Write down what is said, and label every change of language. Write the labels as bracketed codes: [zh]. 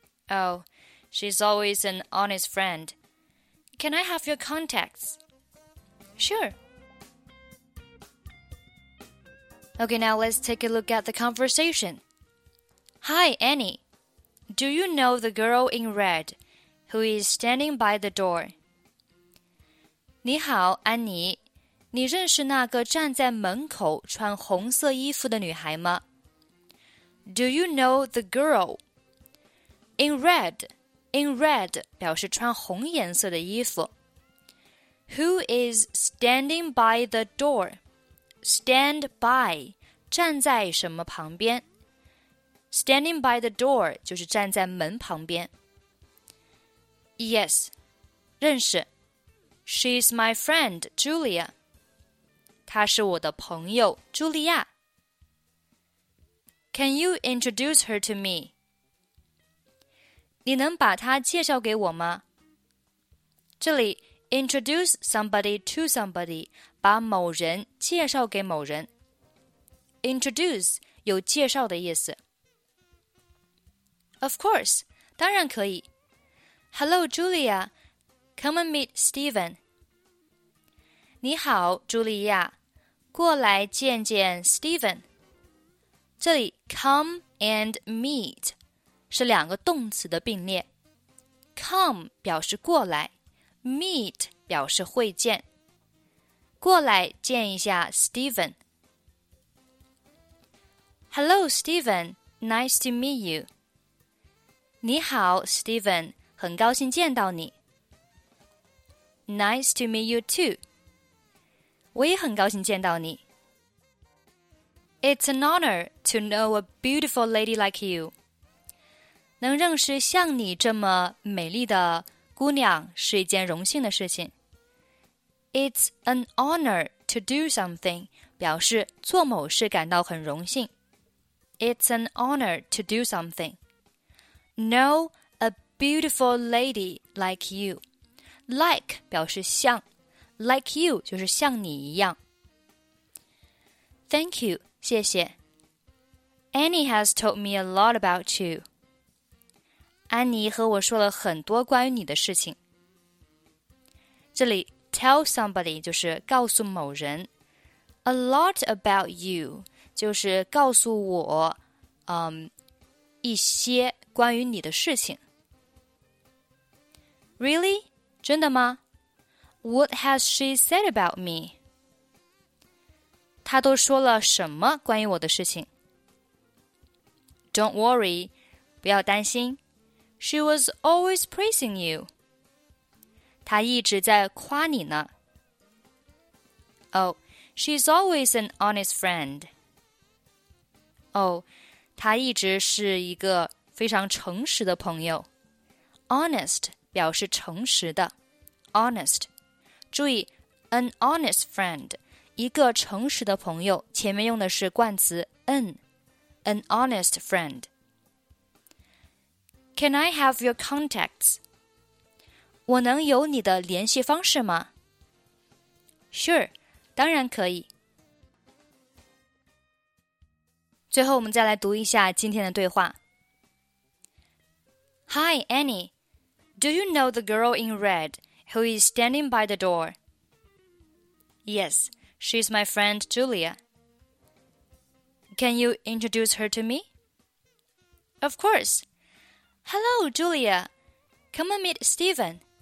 [en] Oh, she's always an honest friend. Can I have your contacts? Sure. Okay, now let's take a look at the conversation. Hi, Annie. Do you know the girl in red who is standing by the door? [zh] 你好，安妮。你认识那个站在门口穿红色衣服的女孩吗? [en] Do you know the girl? In red [zh] 表示穿红颜色的衣服。 [en] Who is standing by the door? Stand by, [zh] 站在什么旁边? [en] Standing by the door [zh] 就是站在门旁边。 [en] Yes, [zh] 认识。 [en] She's my friend, Julia. [zh] 她是我的朋友，茱莉亚。 [en] Can you introduce her to me? [zh] 你能把她介绍给我吗？这里 [en] introduce somebody to somebody, [zh] 把某人介绍给某人。 [en] Introduce [zh] 有介绍的意思。 [en] Of course, [zh] 当然可以。 [en] Hello, Julia. Come and meet Stephen. [zh] 你好，茱莉亚。过来见见 Stephen。这里 [en] come and meet [zh] 是两个动词的并列， come 表示过来， meet 表示会见。过来见一下 Stephen。 [en] Hello Stephen, nice to meet you。 [zh] 你好 Stephen, 很高兴见到你。 [en] Nice to meet you too。 [zh] 我也很高兴见到你。 [en] It's an honor to know a beautiful lady like you. [zh] 能认识像你这么美丽的姑娘是一件荣幸的事情。 [en] It's an honor to do something, [zh] 表示做某事感到很荣幸。 [en] It's an honor to do something. Know a beautiful lady like you. [zh] Like 表示像。 Like you 就是像你一样。 [en] Thank you, [zh] 谢谢。 [en] Annie has told me a lot about you. [zh] 安妮和我说了很多关于你的事情。这里 [en] tell somebody [zh] 就是告诉某人。 [en] A lot about you [zh] 就是告诉我、一些关于你的事情。 [en] Really? [zh] 真的吗？ [en] What has she said about me? [zh] 她都说了什么关于我的事情? [en] Don't worry, [zh] 不要担心。 [en] She was always praising you. [zh] 她一直在夸你呢。 [en] Oh, she's always an honest friend. [zh] Oh, 她一直是一个非常诚实的朋友。 [en] Honest [zh] 表示诚实的。 [en] Honest. [zh] 注意 [en] an honest friend, [zh] 一个诚实的朋友前面用的是冠词 an [en] honest friend. Can I have your contacts? [zh] 我能有你的联系方式吗? [en] Sure, [zh] 当然可以。最后我们再来读一下今天的对话。 [en] Hi, Annie. Do you know the girl in red? Who is standing by the door? Yes, she's my friend Julia. Can you introduce her to me? Of course. Hello, Julia. Come and meet Stephen.